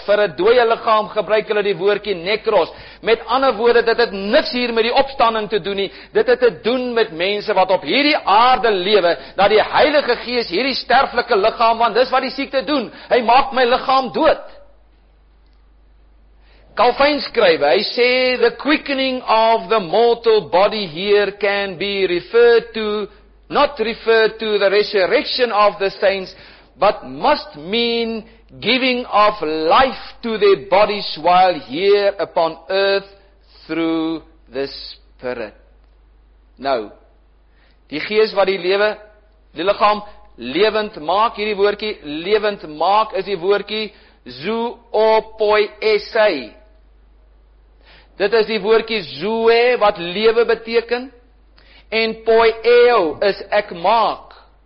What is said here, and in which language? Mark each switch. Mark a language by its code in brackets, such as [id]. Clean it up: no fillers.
[af] Vir 'n dooie liggaam gebruik hulle die woordjie nekros. Met ander woorde, dit het niks hier met die opstanding te doen nie. Dit het te doen met mense wat op hierdie aarde lewe, dat die Heilige Gees hierdie sterflike liggaam, want dis wat die siekte doen, hy maak my liggaam dood. Calvin skrywe, hy sê, [en] the quickening of the mortal body here can be referred to, not referred to the resurrection of the saints, but must mean giving of life to their bodies while here upon earth through the Spirit. [af] Nou, die Gees wat die lewe, die liggaam, lewend maak, hierdie woordjie, lewend maak is die woordjie, zoopoiesei. Dit is die woordjie zoe, wat lewe beteken, en poieo is ek maak.